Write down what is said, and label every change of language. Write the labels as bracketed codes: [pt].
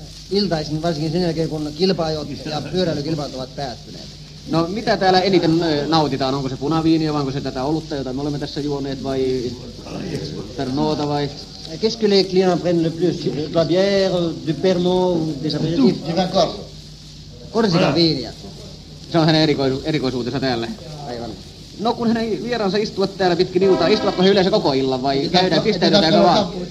[fi] Iltaisin, varsinkin sen jälkeen, kun kilpaajot ja pyöräilykilpailut ovat päättyneet. No, mitä täällä eniten nautitaan? Onko se punaviini, vai onko se tätä olutta, jota me olemme tässä juoneet, vai pernoota, vai? [fr] Qu'est-ce que les clients prennent le plus? La bière, du pernod, des apéritifs? Du vin corse. [fi] Korsikan viiniä. Se on hänen erikoisuutensa täällä. Aivan. No, kun hänen vieraansa istuvat täällä pitkin iltaa, istuvatko he yleensä koko illan, vai käydään pistäydytäänkö vaan?